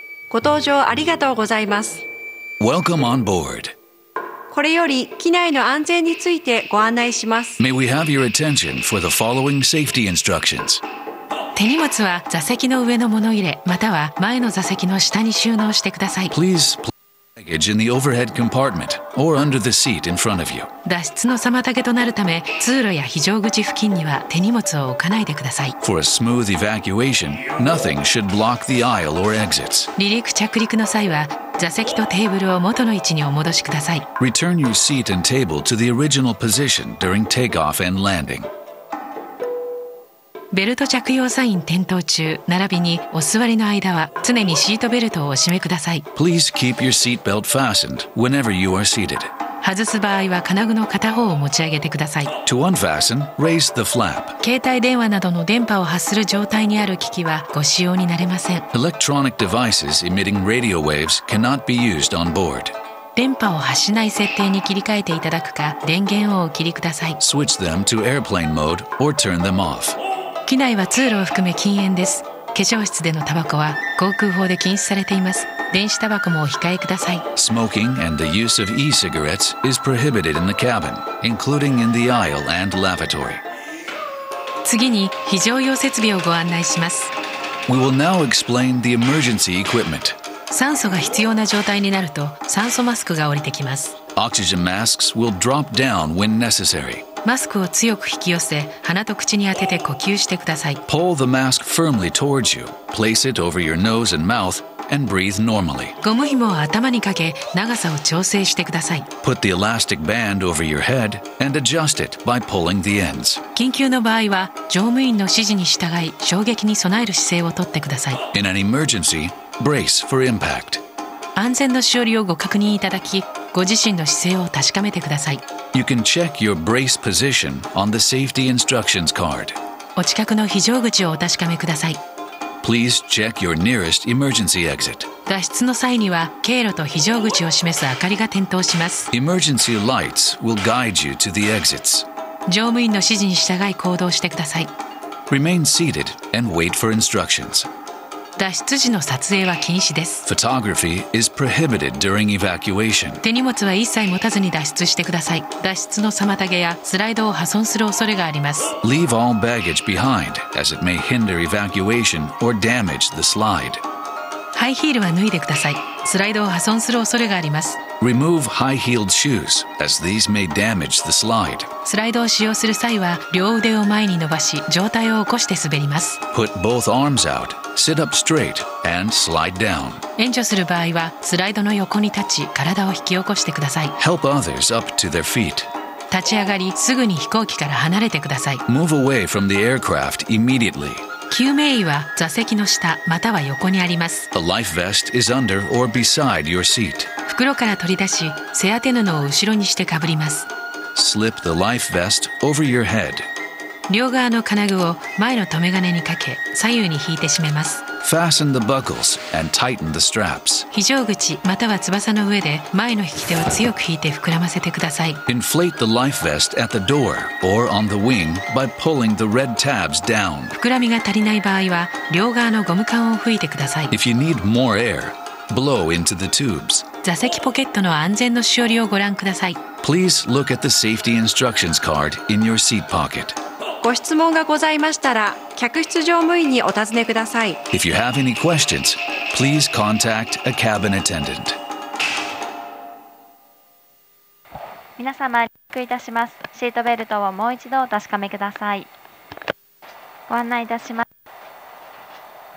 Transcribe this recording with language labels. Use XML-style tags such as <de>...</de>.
<ja>ご搭乗ありがとうございます。</ja> <en>Welcome on board.</en> <ja>これより機内の安全についてご案内します。</ja> <en>May we have your attention for the following safety instructions.</en> <ja>手荷物は座席の上の物入れ、または前の座席の下に収納してください。</ja> <en>Please place luggage in the overhead compartment or under the seat in front of you.</en> <ja>脱出の妨げとなるため、通路や非常口付近には手荷物を置かないでください。</ja> <en>For a smooth evacuation, nothing should block the aisle or exits.</en> <ja>離陸着陸の際は、座席とテーブルを元の位置にお戻しください。</ja> <en>Return your seat and table to the original position during takeoff and landing.</en> <ja>ベルト着用サイン点灯中、並びにお座りの間は常にシートベルトをお締めください。</ja> <en>Please keep your seat belt fastened whenever you are seated.</en> <ja>外す場合は金具の片方を持ち上げてください。</ja> <en>To unfasten, raise the flap.</en> <ja>携帯電話などの電波を発する状態にある機器はご使用になれません。</ja> <en>Electronic devices emitting radio waves cannot be used on board.</en> <ja>電波を発しない設定に切り替えていただくか、電源をお切りください。</ja> <en>Switch them to airplane mode or turn them off.</en> <ja>機内は通路を含め禁煙です。化粧室でのタバコは航空法で禁止されています。電子タバコもお控えください。</ja> <en>Smoking and the use of e-cigarettes is prohibited in the cabin, including in the aisle and lavatory.</en> <ja>次に非常用設備をご案内します。</ja> <en>We will now explain the emergency equipment.</en> <ja>酸素が必要な状態になると酸素マスクが降りてきます。</ja> <en>Oxygen masks will drop down when necessary.</en> <ja>マスクを強く引き寄せ鼻と口に当てて呼吸してください。</ja> <en>Pull the mask firmly towards you. Place it over your nose and mouth and breathe normally.</en> <ja>ゴム紐を頭にかけ長さを調整してください。</ja> <en>Put the elastic band over your head and adjust it by pulling the ends.</en> <ja>緊急の場合は乗務員の指示に従い衝撃に備える姿勢をとってください。</ja> <en>In an emergency,Brace for impact.</en> <ja>安全のしおりをご確認いただき、ご自身の姿勢を確かめてください。</ja> <en>You can check your brace position on the safety instructions card.</en> <ja>お近くの非常口をお確かめください。</ja> <en>Please check your nearest emergency exit.</en> <ja>脱出の際には、経路と非常口を示す明かりが点灯します。</ja> <en>Emergency lights will guide you to the exits.</en> <ja>乗務員の指示に従い行動してください。</ja> <en>Remain seated and wait for instructions.</en> <ja>脱出時の撮影は禁止です。</ja> <en>Photography is prohibited during evacuation.</en> <ja>手荷物は一切持たずに脱出してください。脱出の妨げやスライドを破損する恐れがあります。</ja> <en>Leave all baggage behind, as it may hinder evacuation or damage the slide.</en> <ja>ハイヒールは脱いでください。スライドを破損する恐れがあります。</ja> <en>Remove high-heeled shoes, as these may damage the slide.</en> <ja>スライドを使用する際は両腕を前に伸ばし、上体を起こして滑ります。</ja> <en>Put both arms out. Sit up straight and slide down.</en> <ja>援助する場合はスライドの横に立ち体を引き起こしてください。</ja> <en>Help others up to their feet.</en> <ja>立ち上がりすぐに飛行機から離れてください。</ja> <en>Move away from the aircraft immediately.</en> <ja>救命衣は座席の下または横にあります。</ja> <en>A life vest is under or beside your seat.</en> <ja>袋から取り出し背当て布を後ろにしてかぶります。</ja> <en>Slip the life vest over your head.</en> <ja>両側の金具を前の留め金にかけ左右に引いて締めます。</ja> <en>Fasten the buckles and tighten the straps.</en> <ja>非常口または翼の上で前の引き手を強く引いて膨らませてください。</ja> <en>Inflate the life vest at the door or on the wing by pulling the red tabs down.</en> <ja>膨らみが足りない場合は両側のゴム管を吹いてください。</ja> <en>If you need more air, blow into the tubes.</en> <ja>座席ポケットの安全のしおりをご覧ください。</ja> <en>Please look at the safety instructions card in your seat pocket.</en> <ja>ご質問がございましたら、客室乗務員にお尋ねください。</ja> <en>If you have any questions, please contact a cabin attendant.</en> <ja>皆様、離陸いたします。シートベルトをもう一度お確かめください。ご案内いたします。</ja>